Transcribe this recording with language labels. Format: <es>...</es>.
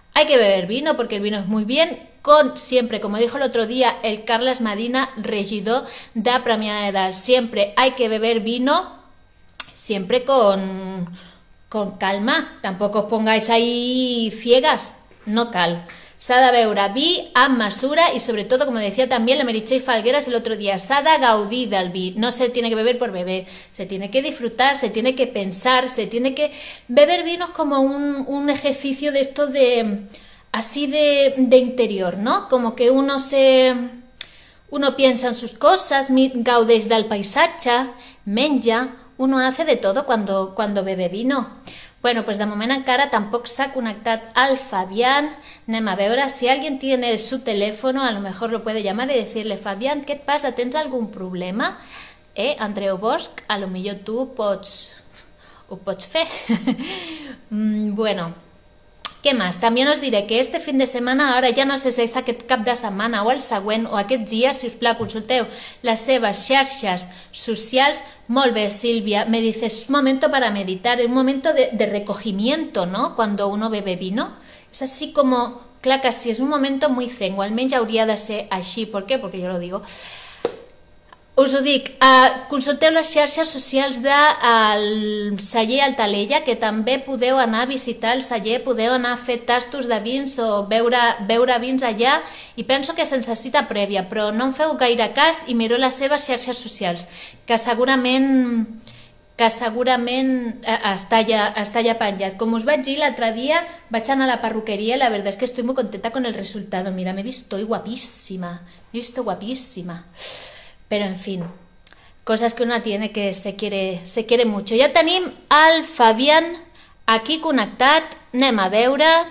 <es>Hay que beber vino porque el vino es muy bien con siempre, como dijo el otro día el Carles Medina, regidor de Premià de Dalt, siempre hay que beber vino, siempre con calma, tampoco os pongáis ahí ciegas,</es> <ca>no cal. S'ha de beure vi amb mesura i sobretot, com decía també la Meritxell Falgueras</ca> <es>el otro dia,</es> <ca>s'ha de gaudir del vi.</ca> <es>No se tiene que beber por beber, se tiene que disfrutar, se tiene que pensar, se tiene que... Beber vino es como un ejercicio de esto de... Así de interior, ¿no? Como que uno se... Uno piensa en sus cosas,</es> <ca>gaudeix del paisatge, menja...</ca> <es>Uno hace de todo cuando bebe vino.</es> <ca>Bueno, pues de moment encara tampoc s'ha connectat al Fabián. Anem a veure si</ca> <es>alguien tiene su teléfono, a lo mejor lo puede llamar y decirle, Fabián, ¿qué pasa?</es> <ca>¿Tens algún problema? Andreu Bosch, a lo millor tú ho pots fer.</ca> <es>Bueno, ¿qué más? También os diré que este fin de semana, ahora ya no sé si es</es> <ca>aquest cap de setmana o el següent o aquest dia, si us plau, consulteu les seves xarxes socials. Molt bé,</ca> <es>Sílvia, me dices, un momento para meditar, un momento de recogimiento, ¿no? Cuando uno bebe vino. Es así como, claro que sí, es un momento muy zen,</es> <ca>o almenys hauria de ser així.</ca> <es>¿Por qué? Porque yo lo digo.</es> <ca>Us ho dic, consulteu les xarxes socials del celler Altalella, que també podeu anar a visitar el celler, podeu anar a fer tastos de vins o beure vins allà, i penso que sense cita prèvia, però no en feu gaire cas i mireu les seves xarxes socials, que segurament està ja penjat. Com us vaig dir l'altre dia, vaig anar a la perruqueria,</ca> <es>la verdad es que estoy muy contenta con el resultado. Mira, me he visto guapísima, me he visto guapísima. Pero en fin, cosas que una tiene que se quiere mucho.</es> <ca>Ya tenim al Fabián aquí connectat. Anem a veure.</ca>